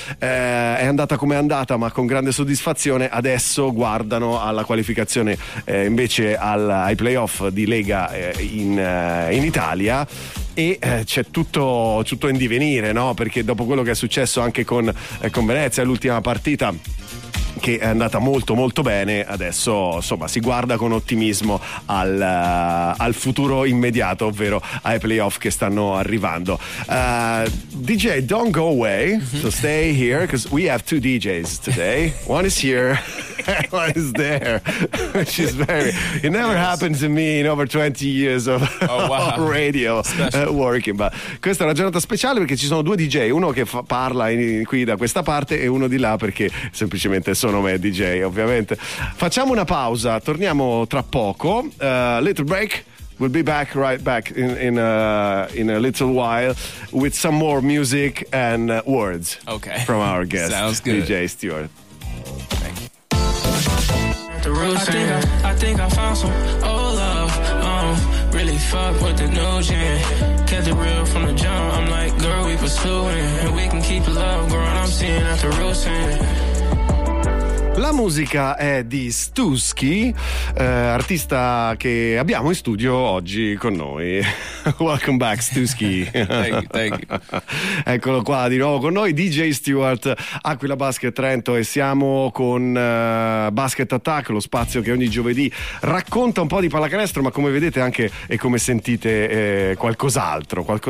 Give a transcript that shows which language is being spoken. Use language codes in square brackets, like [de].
[it] È andata come andata, ma con grande soddisfazione adesso guardano alla qualificazione, invece ai playoff di Lega in Italia, e c'è tutto in divenire, no? Perché dopo quello che è successo anche con Venezia, l'ultima partita che è andata molto molto bene, adesso insomma si guarda con ottimismo al futuro immediato, ovvero ai playoff che stanno arrivando. [en] DJ, don't go away, so stay here, because we have two DJs today. One is here, one is there, which is very, it never happened to me in over 20 years of radio working, but [it] questa è una giornata speciale perché ci sono due DJ, uno che parla qui da questa parte e uno di là, perché semplicemente sono nome DJ, ovviamente. Facciamo una pausa, torniamo tra poco. [en] Little break, we'll be back right back in a little while with some more music and words. Okay. From our guest. Sounds good. DJ Stewart. Thank you. I think I found some old love. Really fuck with the notion. Kept it real from the jump. I'm like, girl, we pursuing, and we can keep love growing. I'm seeing after roasting. [it] La musica è di Stuski, artista che abbiamo in studio oggi con noi. [en] Welcome back, Stuski. thank you. [it] Eccolo qua di nuovo con noi, DJ Stewart, Aquila Basket Trento, e siamo con Basket Attack, lo spazio che ogni giovedì racconta un po' di pallacanestro, ma come vedete anche e come sentite, qualcos'altro.